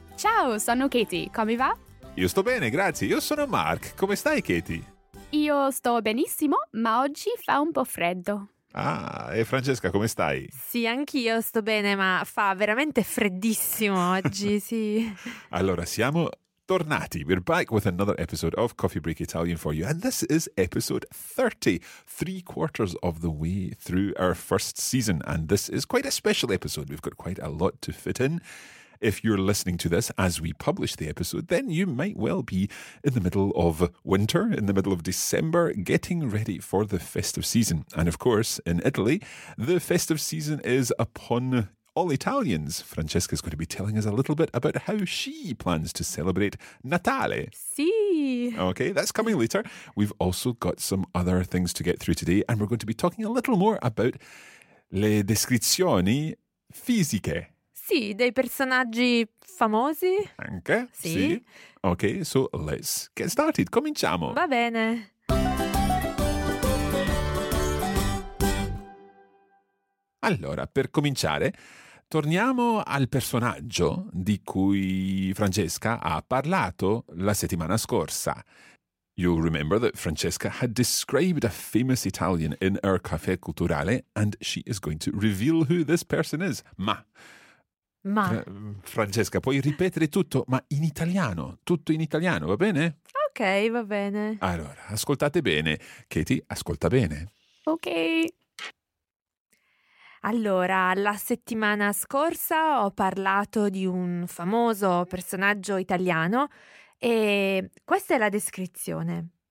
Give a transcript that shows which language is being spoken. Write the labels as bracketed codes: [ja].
[it] Ciao, sono Katie, come va? Io sto bene, grazie, io sono Mark, come stai Katie? Io sto benissimo, ma oggi fa un po' freddo. Ah, e Francesca, come stai? Sì, anch'io sto bene, ma fa veramente freddissimo oggi, sì. Allora, siamo tornati. [en] We're back with another episode of Coffee Break Italian for you. And this is episode 30, three quarters of the way through our first season. And this is quite a special episode. We've got quite a lot to fit in. If you're listening to this as we publish the episode, then you might well be in the middle of winter, in the middle of December, getting ready for the festive season. And of course, in Italy, the festive season is upon all Italians. Francesca is going to be telling us a little bit about how she plans to celebrate Natale. Sì. Okay, that's coming later. We've also got some other things to get through today, and we're going to be talking a little more about [it] le descrizioni fisiche. Sì, dei personaggi famosi. Anche? Sì. Sì. [en] Ok, so let's get started. [it] Cominciamo. Va bene. Allora, per cominciare, torniamo al personaggio di cui Francesca ha parlato la settimana scorsa. [en] You'll remember that Francesca had described a famous Italian in our Caffè Culturale and she is going to reveal who this person is. [it] Ma Francesca, puoi ripetere tutto, ma in italiano, tutto in italiano, va bene? Ok, va bene. Allora, ascoltate bene. Katie, ascolta bene. Ok. Allora, la settimana scorsa ho parlato di un famoso personaggio italiano e questa è la descrizione.